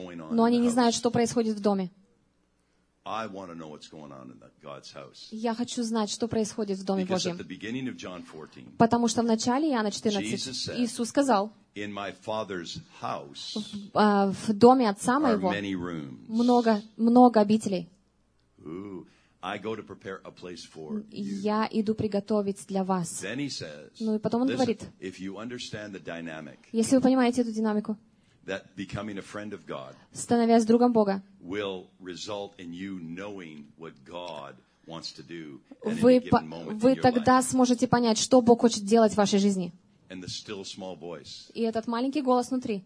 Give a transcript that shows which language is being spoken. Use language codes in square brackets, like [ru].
[ru] Но они не знают, что происходит в доме. [en] I want to know what's going on in God's house. [ru] Я хочу знать, что происходит в доме Божьем. [en] Because at the beginning of John 14. [ru] Потому что в начале Иоанна 14 Иисус сказал. [en] In my Father's house. [ru] В доме отца моего. [en] Are many rooms. [ru] Много обителей. [en] Ooh, I go to prepare a place for you. [ru] Я иду приготовить для вас. [en] Then he says. [ru] Ну и потом он говорит. [en] If you understand the dynamic. [ru] Если вы понимаете эту динамику. [en] That becoming a friend of God [ru] становясь другом Бога [en] will result in you knowing what God wants to do [ru] вы тогда сможете понять, что Бог хочет делать в вашей жизни. [en] And the still small voice. [ru] И этот маленький голос внутри.